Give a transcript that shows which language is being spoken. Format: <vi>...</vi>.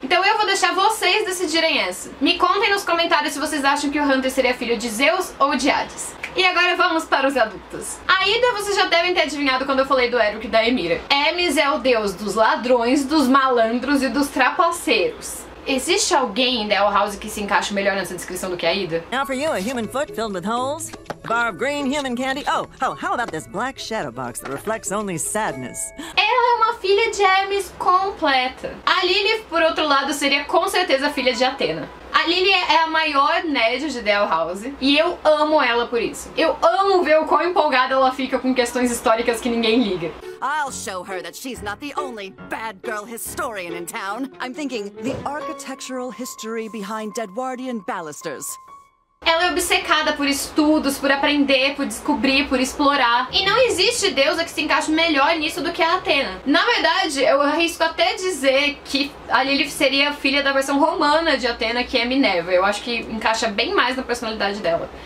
<pt>Então eu vou deixar vocês decidirem essa. Me contem nos comentários se vocês acham que o Hunter seria filho de Zeus ou de Hades. E agora vamos para os adultos. A Ida, vocês já devem ter adivinhado quando eu falei do Eric e da Emira. Hermes é o deus dos ladrões, dos malandros e dos trapaceiros. Existe alguém em The House que se encaixa melhor nessa descrição do que a Ida?</pt> <en>Now for you, a human foot filled with holes. Bar of green human candy. Oh, how about this black shadow box that reflects only sadness?</en> <pt>Ela é uma filha de Hermes completa. A Lilith, por outro lado, seria com certeza filha de Atena. A Lily é a maior nerd de The House e eu amo ela por isso. Eu amo ver o quão empolgada ela fica com questões históricas que ninguém liga.</pt> <en>I'll show her that she's not the only bad girl historian in town. I'm thinking the architectural history behind Edwardian balusters.</en> <pt>Ela é obcecada por estudos, por aprender, por descobrir, por explorar. E não existe deusa que se encaixe melhor nisso do que a Atena. Na verdade, eu arrisco até dizer que a Lilith seria filha da versão romana de Atena, que é Minerva. Eu acho que encaixa bem mais na personalidade dela.</pt>